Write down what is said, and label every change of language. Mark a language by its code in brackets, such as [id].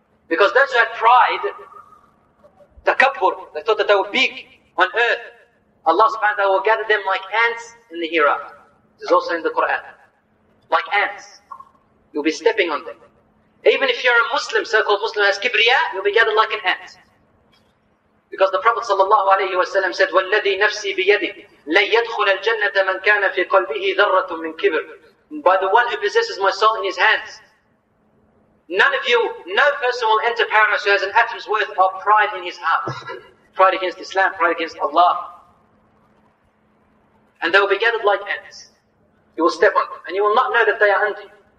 [en] Because those who had pride, takabbur, they thought that they were big on earth, Allah SWT will gather them like ants in the hereafter. This is also in the Quran. Like ants. You'll be stepping on them. Even if you're a Muslim, so-called Muslim, as kibriya, you'll be gathered like an ant. Because the Prophet sallallahu alayhi wasallam said, [ar] وَالَّذِي نَفْسِي بِيَدِهِ لَيَدْخُلَ الْجَنَّةَ مَنْ كَانَ فِي قَلْبِهِ ذَرَّةٌ مِنْ كِبْرٍ. [en] By the one who possesses my soul in his hands. None of you, no person will enter paradise who has an atom's worth of pride in his heart. Pride against Islam, pride against Allah. And they will be gathered like ants. You will step on them. And you will not know that they are under you.